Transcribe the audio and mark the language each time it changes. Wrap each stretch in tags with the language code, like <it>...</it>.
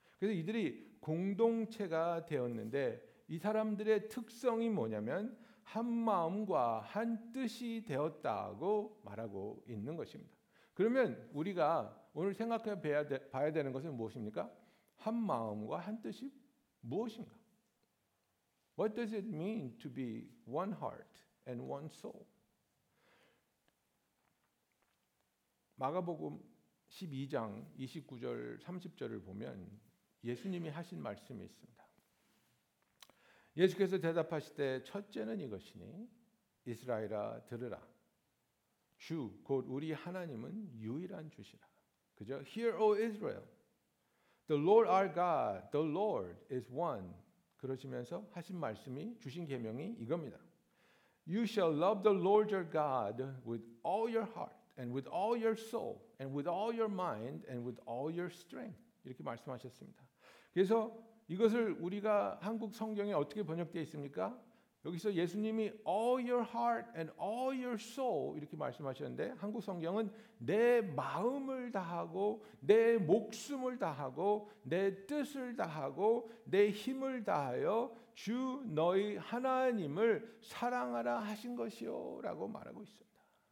<ko>그래서 이들이 공동체가 되었는데 이 사람들의 특성이 뭐냐면 한 마음과 한 뜻이 되었다고 말하고 있는 것입니다. 그러면 우리가 오늘 생각해 봐야 되는 것은 무엇입니까? 한 마음과 한 뜻이 무엇인가?</ko> <en>What does it mean to be one heart and one soul?</en> <ko>마가복음 12장 29절 30절을 보면 예수님이 하신 말씀이 있습니다. 예수께서 대답하실 때 첫째는 이것이니 이스라엘아 들으라. 주 곧 우리 하나님은 유일한 주시라. 그죠?</ko> <en>Hear, O Israel. The Lord our God, the Lord is one.</en> <ko>그러시면서 하신 말씀이, 주신 계명이 이겁니다.</ko> <en>You shall love the Lord your God with all your heart. And with all your soul, and with all your mind, and with all your strength.</en> <ko>이렇게 말씀하셨습니다. 그래서 이것을 우리가 한국 성경에 어떻게 번역되어 있습니까? 여기서 예수님이</ko> <en>all your heart and all your soul</en> <ko>이렇게 말씀하셨는데 한국 성경은 내 마음을 다하고 내 목숨을 다하고 내 뜻을 다하고 내 힘을 다하여 주 너희 하나님을 사랑하라 하신 것이요 라고 말하고 있습니다.</ko>